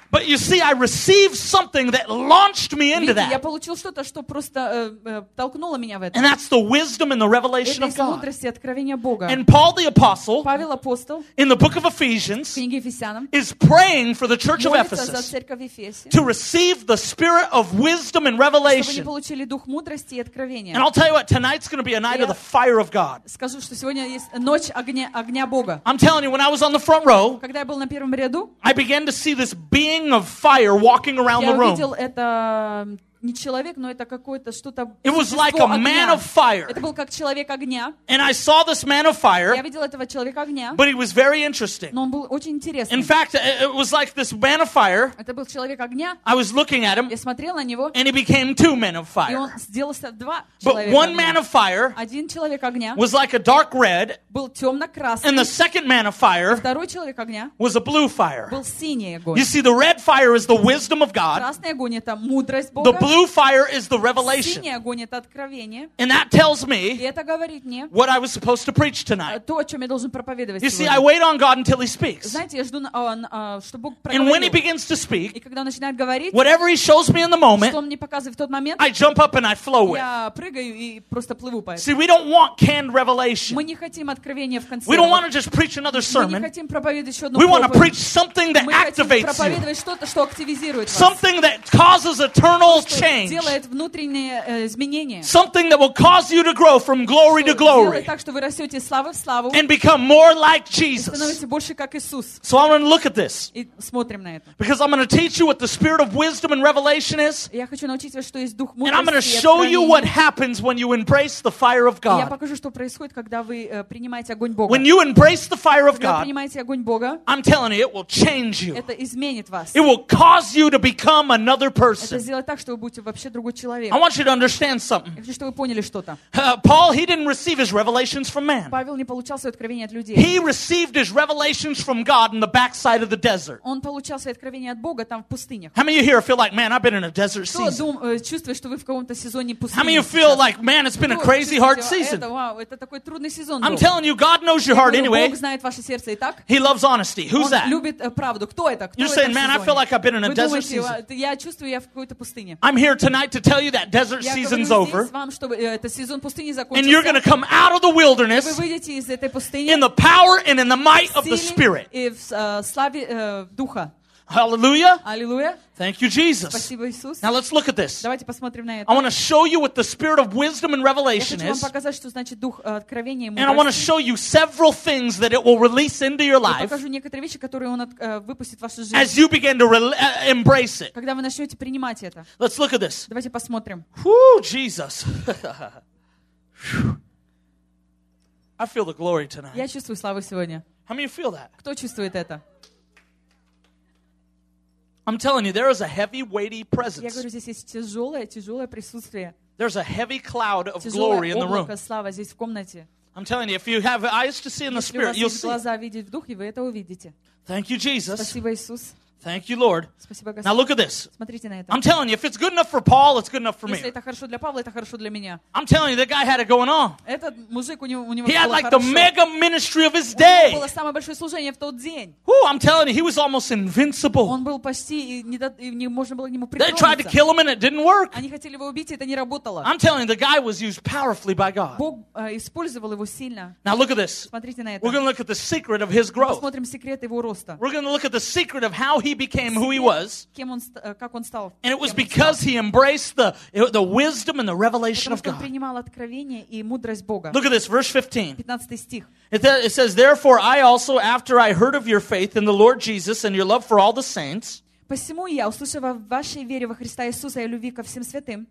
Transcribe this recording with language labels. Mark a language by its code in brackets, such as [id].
[en] But you see, I received something that launched me into that. [ru] Я получил что-то, что просто толкнуло меня в это. [en] And that's the wisdom and the revelation of God. [ru] Это из мудрости и откровения Бога. [en] And Paul the apostle, [ru] Павел апостол, [en] in the book of Ephesians, [ru] в книге Ефесянам, [en] is praying for the church of Ephesus to receive the spirit of wisdom and revelation. [ru] Чтобы они получили дух мудрости и откровения. [en] And I'll tell you what, tonight's going to be a night of the fire of God. [ru] Скажу, что сегодня есть ночь огня Бога. [en] I'm telling you, when I was on the front row, [ru] когда я был на первом ряду, [en] I began to see this beam of fire walking around the room. [ru] Я увидел это не человек, но это какое-то что-то. [en] It was like a man of fire. [ru] Это был как человек огня. [en] And I saw this man of fire. [ru] Я видел этого человека огня. [en] But he was very interesting. [ru] Но он был очень интересный. [en] In fact, it was like this man of fire. [ru] Это был человек огня. [en] I was looking at him. [ru] Я смотрел на него. [en] And he became two men of fire. [ru] И он сделался два человека. [en] But one man of fire. [ru] Один человек огня. [en] Was like a dark red. [ru] Был темно-красный. [en] And the second man of fire. [ru] Второй человек огня. [en] Was a blue fire. [ru] Был синий огонь. [en] You see, the red fire is the wisdom of God. [ru] Красный огонь — это мудрость Бога. [en] Blue fire is the revelation. [ru] Синий огонь — это откровение. [en] And that tells me. [ru] И это говорит мне. [en] What I was supposed to preach tonight. [ru] То, о чем я должен проповедовать. [en] You see, I wait on God until He speaks. [ru] Знаете, я жду, чтобы Бог проговорил. [en] And when He begins to speak. [ru] И когда он начинает говорить. [en] Whatever He shows me in the moment. [ru] Что он мне показывает в тот момент. [en] I jump up and I flow with. [ru] Я прыгаю и просто плыву по этому. [en] See, we don't want canned revelation. [ru] Мы не хотим откровения в конце. [en] We don't want to just preach another sermon. [ru] Мы не хотим проповедовать еще одну проповедь. [en] We want to preach something that activates you. [ru] Мы хотим проповедовать что-то, что активизирует вас. [en] Something that causes eternal change. [ru] Делает внутренние изменения. [en] Something that will cause you to grow from glory to glory. [ru] Делает так, что вы растете славы в славу. [en] And become more like Jesus. [ru] Становитесь больше как Иисус. [en] So I'm going to look at this. [ru] И смотрим на это. [en] Because I'm going to teach you what the spirit of wisdom and revelation is. [ru] Я хочу научить вас, что есть дух мудрости. [en] And I'm going to show you what happens when you embrace the fire of God. [ru] Я покажу, что происходит, когда вы принимаете огонь Бога. [en] When you embrace the fire of God. [ru] Когда принимаете огонь Бога. [en] I'm telling you, it will change you. [ru] Это изменит вас. [en] It will cause you to become another person. [ru] Это сделает так, что вы будете вообще другой человек. [en] I want you to understand something. [ru] Я хочу, чтобы вы поняли что-то. [en] Paul, he didn't receive his revelations from man. [ru] Павел не получал свои откровения от людей. [en] He received his revelations from God in the backside of the desert. [ru] Он получал свои откровения от Бога там в пустынях. [en] How many of you here feel like, man, I've been in a desert season? [ru] Кто чувствует, что вы в каком-то сезоне пустыни? [en] How many of you feel like, man, it's been a crazy hard season? [ru] Это такой трудный сезон. [en] I'm telling you, God knows your heart anyway. [ru] Бог знает ваше сердце и так. [en] He loves honesty. Who's that? [ru] Он любит правду. Кто это? [en] You're saying, man, I feel like I've been in a desert season. [ru] Я чувствую, я в какой-то пустыне. [en] I'm here tonight to tell you that desert season's over. [ru] Вам, что, сезон пустыни закончился. [en] And you're going to come out of the wilderness. [ru] Вы выйдете из этой пустыни. [en] In the power and in the might of the Spirit. [ru] И в славе духа. [en] Hallelujah. Hallelujah. Thank you, Jesus. [ru] Спасибо, Иисус. [en] Now let's look at this. [ru] Давайте посмотрим на это. [en] I want to show you what the spirit of wisdom and revelation is. [ru] Я хочу вам показать, что значит дух откровения и мудрости. [en] And I want to show you several things that it will release into your life. [ru] Я покажу некоторые вещи, которые он выпустит в вашу жизнь. [en] As you begin to embrace it. [ru] Когда вы начнете принимать это. [en] Let's look at this. [ru] Давайте посмотрим. [en] Whoo, Jesus. I feel the glory tonight. [ru] Я чувствую славу сегодня. [en] How many feel that? [ru] Кто чувствует это? [en] I'm telling you, there is a heavy, weighty presence. [ru] Я говорю, здесь есть тяжелое, тяжелое присутствие. [en] There's a heavy cloud of glory in the room. [ru] Тяжелое облако славы здесь в комнате. [en] I'm telling you, if you have eyes to see in the spirit, you'll see. [ru] Если у вас есть глаза видеть в духе, вы это увидите. [en] Thank you, Jesus. [ru] Спасибо, Иисус. [en] Thank you, Lord. [ru] Спасибо, Господь. [en] Now look at this. [ru] Смотрите на это. [en] I'm telling you, if it's good enough for Paul, it's good enough for me. [ru] Если это хорошо для Павла, это хорошо для меня. [en] I'm telling you, the guy had it going on. [ru] Этот мужик у него было хорошо. [en] He had like the mega ministry of his day. [ru] У него было самое большое служение в тот день. [en] Whoo, I'm telling you, he was almost invincible. [ru] Он был почти не можно было к нему притронуться. [en] They tried to kill him and it didn't work. [ru] Они хотели его убить, и это не работало. [en] I'm telling you, the guy was used powerfully by God. [ru] Бог использовал его сильно. [en] Now look at this. [ru] Смотрите на это. [en] We're going to look at the secret of his growth. [ru] Посмотрим секрет его роста. [en] We're going to look at the secret of how he became who he was. [ru] Кем он, как он стал, [en] and it was because he embraced the wisdom and the revelation of God. [ru] Принимал откровение и мудрость Бога. [en] Look at this, verse 15. [ru] 15 стих. [en] It says, therefore I also, after I heard of your faith in the Lord Jesus and your love for all the saints, [ru] посему я, услышав о вашей вере во Христа Иисуса и любви ко всем святым,